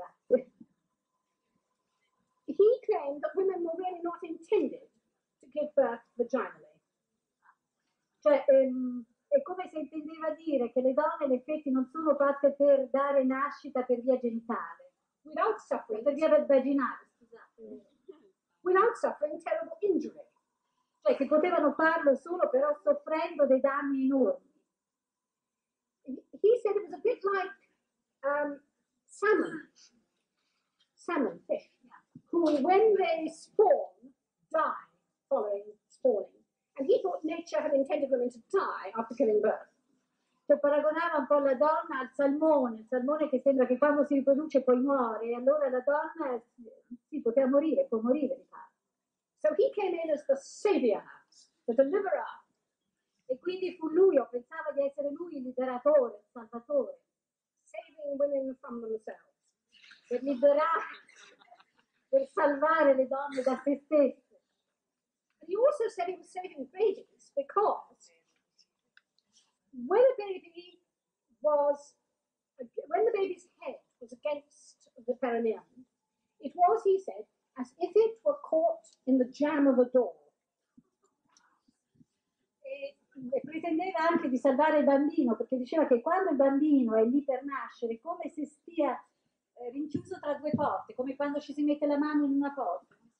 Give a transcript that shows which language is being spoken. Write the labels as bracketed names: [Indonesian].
[English] He claimed that women were really not intended to give birth vaginally. [Italian] Cioè, è come se intendeva dire che le donne in effetti non sono fatte per dare nascita per via genitale. [English] Without suffering. [Italian] Per via vaginale, scusate. [English] Without suffering terrible injury. [Italian] Cioè, che potevano farlo solo però soffrendo dei danni enormi. [English] He said it was a bit like salmon fish, yeah. Who, when they spawn, die following spawning. And he thought nature had intended women to die after giving birth. [Italian] Cioè, paragonava un po' la donna al salmone, il salmone che sembra che quando si riproduce poi muore, e allora la donna sì, poteva morire, può morire di fatto. [English] So he came in as the savior, the deliverer. [Italian] E quindi fu lui, o pensava di essere lui, il liberatore, il salvatore. [English] Saving women from themselves. [Italian] Per liberare, per salvare le donne da se stesse. [English] But he also said he was saving babies, because when the baby's head was against the perineum, it was, he said, as if it were caught in the jam of a door. [Italian] E pretendeva anche di salvare il bambino, perché diceva che quando il bambino è lì per nascere, come se stia rinchiuso tra due porte, come quando ci si mette la mano in una porta.